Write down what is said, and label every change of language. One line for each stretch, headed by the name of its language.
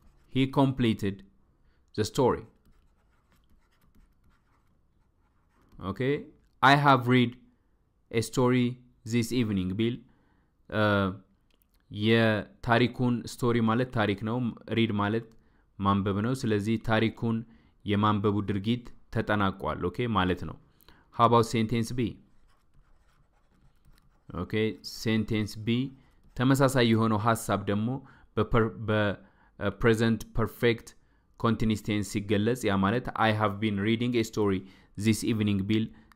English: He completed the story. Okay. I have read a story this evening, Bill.
Amharic: የታሪኩን ስቶሪ ማለት ታሪክ ነው። ሪድ ማለት ማንበብ ነው። ስለዚህ ታሪኩን የማንበቡ ድርጊት ተጠናቋል ኦኬ ማለት ነው።
English: How about sentence B? Okay, sentence B
Amharic: ተመሳሳይ የሆነው ሐሳብ ደግሞ በpresent perfect continuous tense ሲገለጽ ያ ማለት
English: I have been reading a story this evening, Bill.